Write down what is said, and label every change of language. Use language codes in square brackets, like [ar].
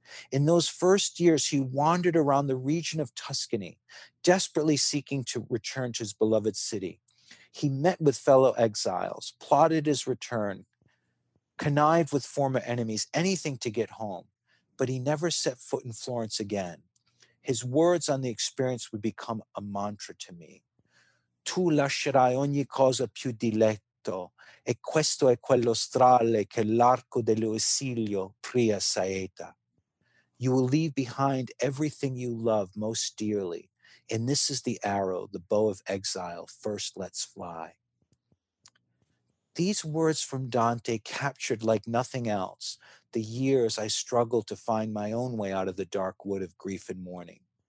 [en] In those first years, he wandered around the region of Tuscany, desperately seeking to return to his beloved city. He met with fellow exiles, plotted his return, connived with former enemies, anything to get home, but he never set foot in Florence again. His words on the experience would become a mantra to me. [it] Tu lascerai ogni cosa più diletto, e questo è quello strale che l'arco dell'esilio pria saeta. [en] You will leave behind everything you love most dearly, and this is the arrow the bow of exile first lets fly. These words from Dante captured, like nothing else, the years I struggled to find my own way out of the dark wood of grief and mourning.